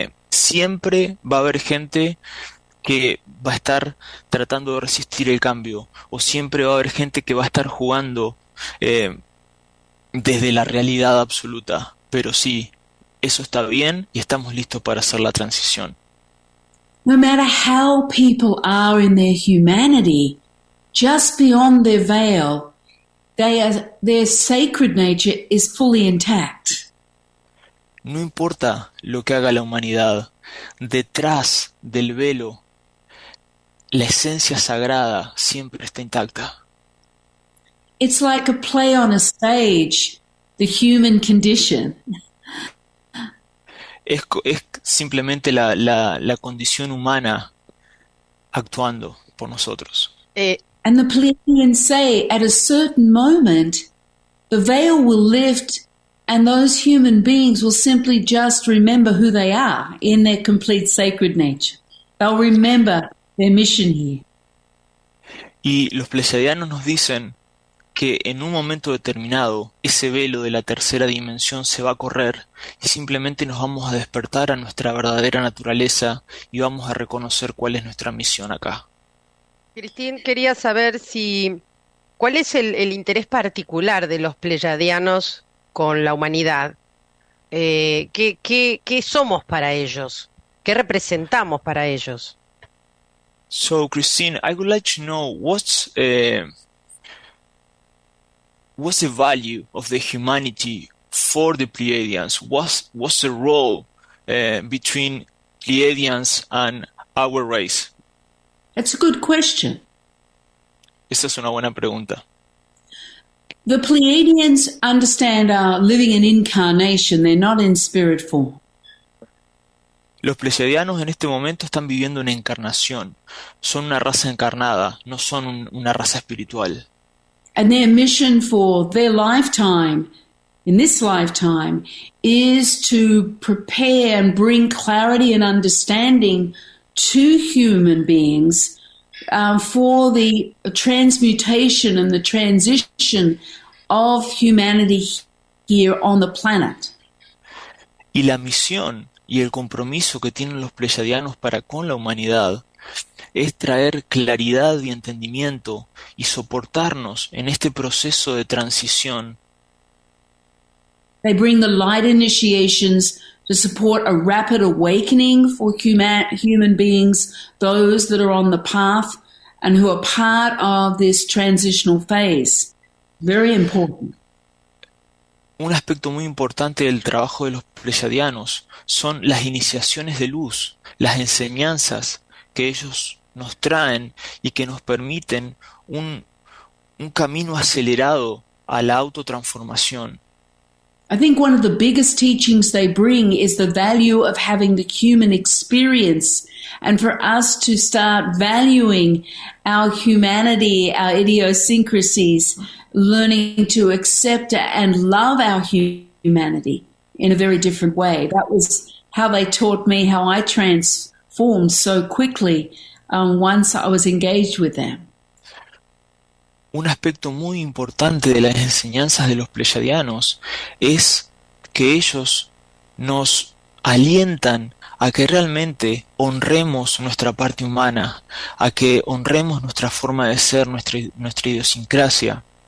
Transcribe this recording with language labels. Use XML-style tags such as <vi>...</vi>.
<es>Siempre va a haber gente que va a estar tratando de resistir el cambio, o siempre va a haber gente que va a estar jugando desde la realidad absoluta. Pero sí, eso está bien y estamos listos para hacer la transición.</es> <en>No matter how people are in their humanity, just beyond their veil, their sacred nature is fully intact.</en> <es>No importa lo que haga la humanidad, detrás del velo, la esencia sagrada siempre está intacta.</es> <en>It's like a play on a stage, the human condition.</en> <es>Es simplemente la condición humana actuando por nosotros.</es> <en>And the Pleiadians say at a certain moment, the veil will lift and those human beings will simply just remember who they are in their complete sacred nature. They'll remember their mission here.</en> <es>Y los pleyadianos nos dicen que en un momento determinado ese velo de la tercera dimensión se va a correr y simplemente nos vamos a despertar a nuestra verdadera naturaleza y vamos a reconocer cuál es nuestra misión acá. Cristín, quería saber si ¿cuál es el interés particular de los pleyadianos con la humanidad? ¿Qué somos para ellos? ¿Qué representamos para ellos?</es> <en>So, Christine, I would like to know what's the value of the humanity for the Pleiadians? What's the role between Pleiadians and our race? That's a good question.</en> <es>Esa es una buena pregunta.</es> <en>The Pleiadians understand are living in incarnation, they're not in spirit form.</en> <es>Los pleiadianos en este momento están viviendo una encarnación. Son una raza encarnada, no son una raza espiritual.</es> <en>And their mission for their lifetime, in this lifetime, is to prepare and bring clarity and understanding to human beings for the transmutation and the transition of humanity here on the planet.</en> <es>Y la misión y el compromiso que tienen los pleiadianos para con la humanidad es traer claridad y entendimiento y soportarnos en este proceso de transición.</es> <en>They bring the light initiations to support a rapid awakening for human beings, those that are on the path and who are part of this transitional phase. Very important.</en> <es>Un aspecto muy importante del trabajo de los pleiadianos son las iniciaciones de luz, las enseñanzas que ellos nos traen y que nos permiten un camino acelerado a la autotransformación.</es> <en>I think one of the biggest teachings they bring is the value of having the human experience and for us to start valuing our humanity, our idiosyncrasies, learning to accept and love our humanity in a very different way. That was how they taught me how I transformed so quickly once I was engaged with them.</en> <es>Un aspecto muy importante de las enseñanzas de los pleiadianos es que ellos nos alientan a que realmente honremos nuestra parte humana, a que honremos nuestra forma de ser, nuestra idiosincrasia.</es>